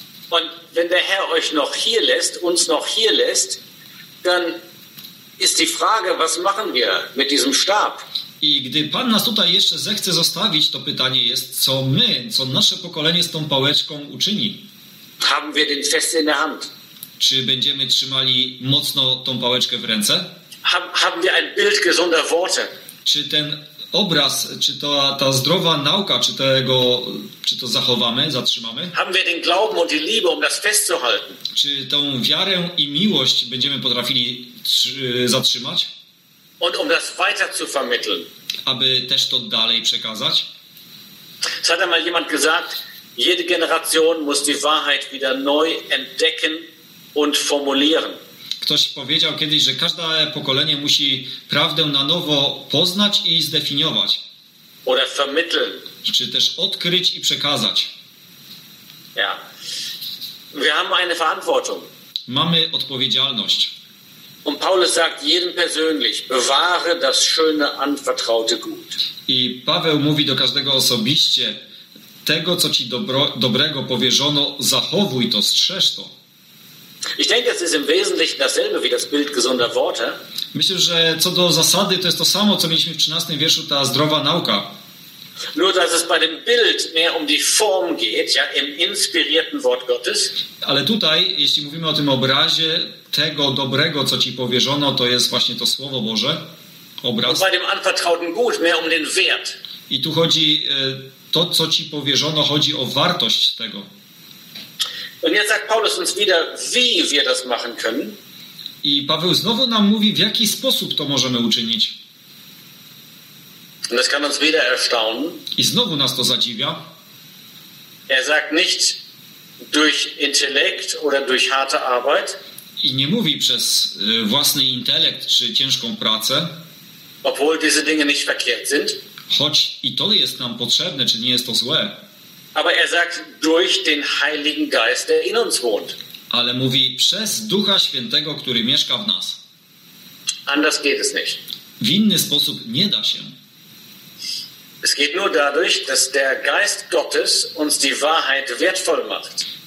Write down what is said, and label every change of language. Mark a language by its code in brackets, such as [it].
[de] Und wenn der Herr euch noch hier lässt, uns noch hier lässt, dann ist die Frage, was machen wir mit diesem Stab? [pl] I gdy Pan nas tutaj jeszcze zechce zostawić, to pytanie jest, co my, co nasze pokolenie z tą pałeczką uczyni? [de] Haben wir den fest in der Hand? [pl] Czy będziemy trzymali mocno tą pałeczkę w ręce? [de] Haben wir ein Bild gesunder Worte? [pl] Czy ten obraz, czy ta zdrowa nauka, czy to zachowamy, zatrzymamy? [de] Haben wir den Glauben und die Liebe, um das festzuhalten? [pl] Czy tą wiarę i miłość będziemy potrafili zatrzymać? [de] Und um das weiter zu vermitteln. [pl] Aby też to dalej przekazać? [de] Es hat einmal jemand gesagt, jede Generation muss die Wahrheit wieder neu entdecken und formulieren. [pl] Ktoś powiedział kiedyś, że każde pokolenie musi prawdę na nowo poznać i zdefiniować. [de] Oder vermitteln. [pl] Czy też odkryć i przekazać. [de] Ja. Wir haben eine Verantwortung. [pl] Mamy odpowiedzialność. [de] Und Paulus sagt jedem persönlich, bewahre das schöne, anvertraute Gut. [pl] I Paweł mówi do każdego osobiście, tego, co ci dobrego powierzono, zachowuj to, strzeż to. [de] Ich denke, es ist im Wesentlichen dasselbe wie das Bild gesunder Worte. [pl] Myślę, że co do zasady, to jest to samo, co mieliśmy w 13. wierszu, ta zdrowa nauka. [de] Nur dass es bei dem Bild mehr um die Form geht, ja, im inspirierten Wort Gottes. [pl] Ale tutaj, jeśli mówimy o tym obrazie tego dobrego, co ci powierzono, to jest właśnie to Słowo Boże, obraz. [de] Und bei dem anvertrauten Gut mehr um den Wert. [pl] I tu chodzi to, co ci powierzono, chodzi o wartość tego. [de] Und jetzt sagt Paulus uns wieder, wie wir das machen können. [pl] I Paweł znowu nam mówi, w jaki sposób to możemy uczynić. [de] Und das kann uns wieder erstaunen. [pl] I znowu nas to zadziwia. [de] Er sagt nicht durch intelekt oder durch harte Arbeit. [pl] I nie mówi przez własny intelekt czy ciężką pracę. [de] Obwohl diese Dinge nicht verkehrt sind. [pl] Choć i to jest nam potrzebne, czy nie jest to złe. [de] Aber er sagt durch den Heiligen Geist, der in uns wohnt. [pl] Ale mówi przez Ducha Świętego, który mieszka w nas. [de] Anders geht es nicht. [pl] W inny sposób nie da się. [de] Es geht nur dadurch, dass der Geist Gottes uns die Wahrheit wertvoll macht.